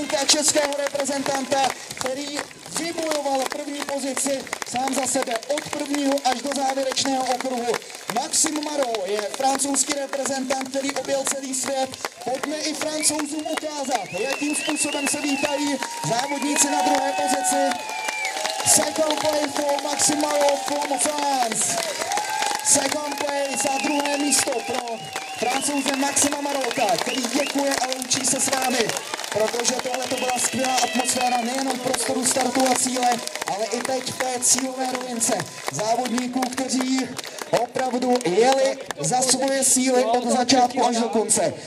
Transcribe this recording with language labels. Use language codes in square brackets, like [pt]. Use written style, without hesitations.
[cs] Českého reprezentanta, který vybojoval první pozici sám za sebe od prvního až do závěrečného okruhu. Maxim Marot je francouzský reprezentant, který objel celý svět. Pojďme i Francouzům ukázat, jakým způsobem se vítají závodníci na druhé pozici. [en] Second place for Maxim Marot from France. Second place [cs] a druhé místo pro Francouze Maxima Marota, který děkuje a loučí se s vámi, protože tohle to byla skvělá atmosféra nejenom v prostoru startu a cíle, ale i teď v té cílové rovince závodníků, kteří opravdu jeli za svoje síly od začátku až do konce.